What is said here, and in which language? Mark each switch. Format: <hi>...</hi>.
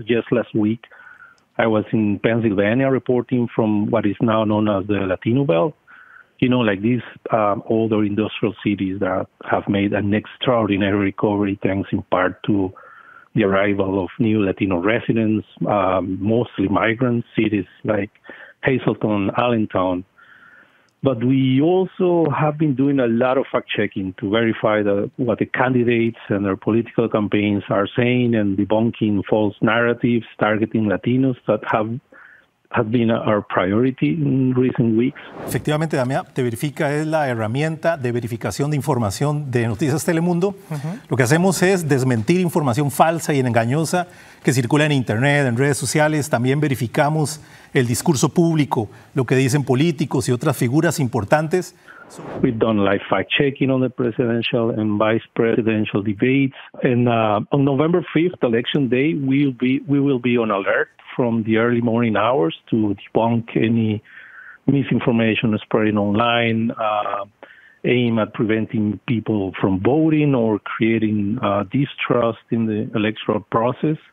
<en>Just last week, I was in Pennsylvania reporting from what is now known as the Latino Belt, you know, like these older industrial cities that have made an extraordinary recovery thanks in part to the arrival of new Latino residents, mostly migrant cities like Hazleton, Allentown. But we also have been doing a lot of fact-checking to verify what the candidates and their political campaigns are saying and debunking false narratives targeting Latinos that have been our priority in recent weeks.</en> <es>Efectivamente, Damián, Te Verifica es la herramienta de verificación de información de Noticias Telemundo. Lo que hacemos es desmentir información falsa y engañosa que circula en Internet, en redes sociales. También verificamos el discurso público, lo que dicen políticos y otras figuras importantes.</es> <en>We've done live fact-checking on the presidential and vice presidential debates. And on November 5th, election day, we will be on alert from the early morning hours to debunk any misinformation spreading online, aim at preventing people from voting or creating distrust in the electoral process.</en>